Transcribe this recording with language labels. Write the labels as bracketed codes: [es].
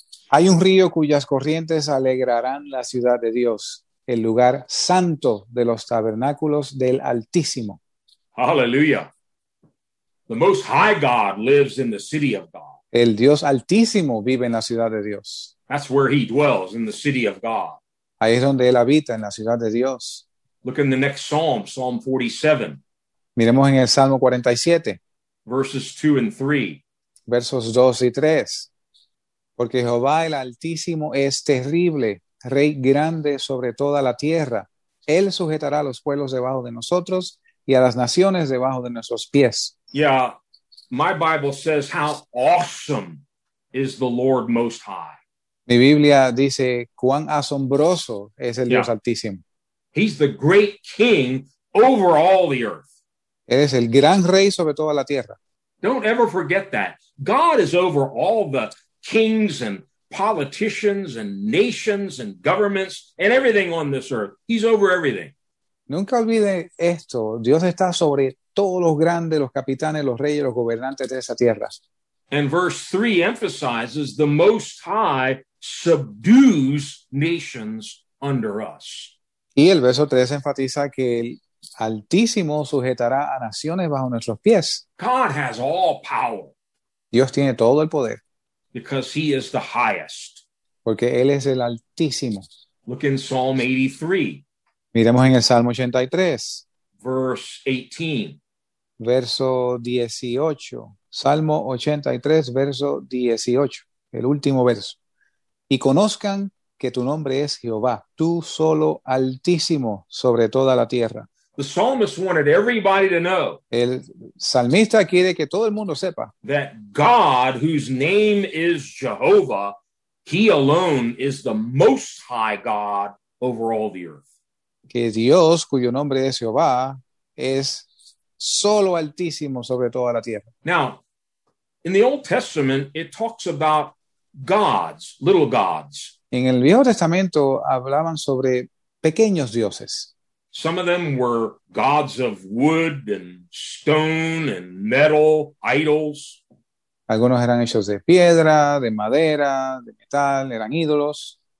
[es] Hay un río cuyas corrientes alegrarán la ciudad de Dios, el lugar santo de los tabernáculos del Altísimo. Hallelujah. [en] The Most High God lives in the city of God. [es] El Dios Altísimo vive en la ciudad de Dios. [en] That's where he dwells, in the city of God. [es] Ahí es donde él habita, en la ciudad de Dios. [en] Look in the next Psalm, Psalm 47. [es] Miremos en el Salmo 47. [en] Verses 2 and 3. [es] Versos 2 y 3. Porque Jehová el Altísimo es terrible, rey grande sobre toda la tierra. Él sujetará a los pueblos debajo de nosotros y a las naciones debajo de nuestros pies. [en] Yeah, my Bible says how awesome is the Lord Most High. [es] Mi Biblia dice cuán asombroso es el Dios Altísimo. [en] He's the great king over all the earth. [es] Él es el gran rey sobre toda la tierra. [en] Don't ever forget that. God is over all the kings and politicians and nations and governments and everything on this earth. He's over everything. [es] Nunca olvide esto. Dios está sobre todos los grandes, los capitanes, los reyes, los gobernantes de esa tierra. [en] And verse 3 emphasizes the Most High subdues nations under us. [es] Y el verso 3 enfatiza que el Altísimo sujetará a naciones bajo nuestros pies. [en] God has all power. [es] Dios tiene todo el poder. [en] Because he is the highest. [es] Porque él es el Altísimo. [en] Look in Psalm 83. [es] Miremos en el Salmo 83, [en] verse 18. [es] Verso 18. Salmo 83, verso 18, el último verso. Y conozcan que tu nombre es Jehová, tú solo altísimo sobre toda la tierra. [en] The psalmist wanted everybody to know. [es] El salmista quiere que todo el mundo sepa. [en] That God, whose name is Jehovah, he alone is the most high God over all the earth. [es] Que Dios, cuyo nombre es Jehová, es solo altísimo sobre toda la tierra. [en] Now, in the Old Testament, it talks about gods, little gods. [es] En el Viejo Testamento hablaban sobre pequeños dioses. [en] Some of them were gods of wood and stone and metal, idols. [es] Algunos eran hechos de piedra, de madera, de metal, eran ídolos.